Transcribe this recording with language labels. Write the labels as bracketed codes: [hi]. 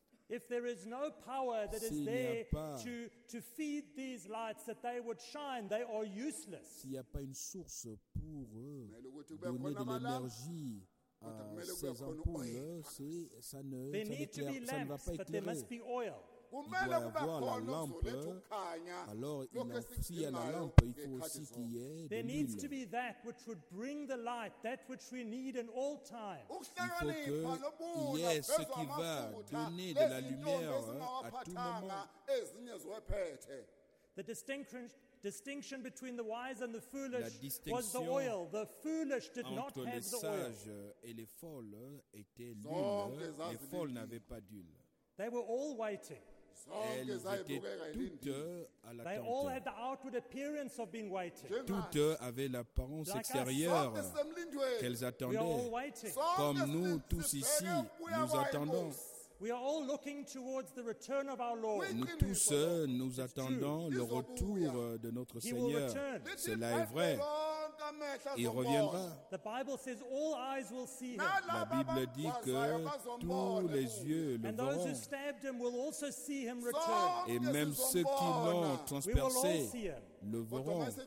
[en] If there is no power that is there to feed these lights that they would shine, they are useless. [fr] S'il n'y a pas une source pour donner de l'énergie à ces ampoules, ça ne va pas éclairer. [en] There must be oil. [fr] il doit y avoir la lampe, alors s'il y a la lampe, il faut aussi qu'il y ait de l'huile. [en] There needs to be that which would bring the light, that which we need in all time. [fr] Il faut qu'il y ait ce qui va donner de la lumière à tout moment. [en] The distinction between the wise and the foolish was the oil. The foolish did not have the oil. [fr] Entre les sages et les folles étaient l'huile, les folles n'avaient pas d'huile. [en] They were all waiting. [fr] Elles étaient toutes à l'attente. [en] They all had the outward appearance of being waiting. [fr] Toutes avaient l'apparence extérieure qu'elles attendaient. [en] We are all waiting. [fr] Comme nous tous ici, nous attendons. [en] We are all looking towards the return of our Lord. [fr] Nous tous, nous attendons le retour de notre Seigneur. Cela est vrai. Il reviendra. [en] The Bible says all eyes will see him. [fr] La Bible dit que tous les yeux le verront. [en] And those who stabbed him will also see him return. [fr] Et même ceux qui l'ont transpercé le verront.